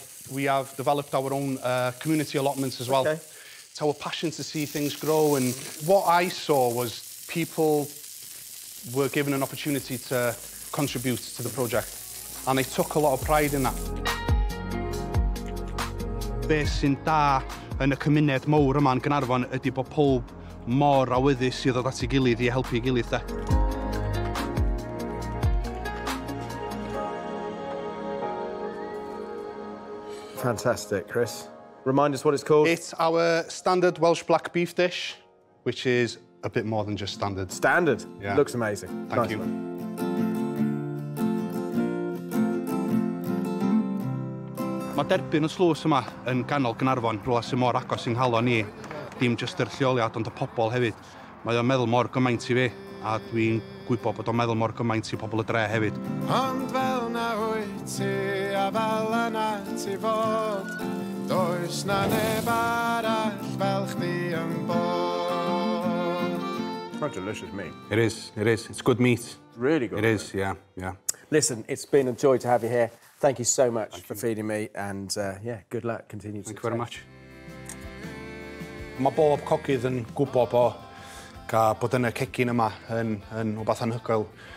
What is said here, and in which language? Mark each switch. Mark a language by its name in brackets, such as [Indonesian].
[English] We have developed our own community allotments as well. OK. It's our passion to see things grow. And what I saw was people were given an opportunity to contribute to the project, and they took a lot of pride in that. [Welsh] Be sy'n da yn y cymuned mowr yma yn Caernarfon ydy bod pob mor awyddus i ddod at ei gilydd i helpu ei gilydd. [English] Fantastic, Chris. Remind us what it's called. It's our standard Welsh black beef dish, which is a bit more than just standard. Standard? Yeah. Looks amazing. Thank you. [Welsh] Mae derbyn y slws yma yn ganol Caernarfon, rhywle sy'n mor agos i'n nghalon ni, dim jyst yr lleoliad, ond y pobl hefyd. Mae o'n meddwl mor gymaint i fi, a dwi'n gwybod bod o'n meddwl mor gymaint i pobl y dre hefyd. Ond fel na wyt ti, a fel yna ti fod, does na neb arall fel chdi yn bod. [English] Quite delicious meat. It is, it is. It's good meat. Really good. It is, yeah, yeah. Listen, it's been a joy to have you here. Thank you so much for feeding me, and yeah, good luck. Continue to thank you very much. [Welsh] Mae bob cogydd yn gwybod bod yn y cegin yma yn rhywbeth anhygoel.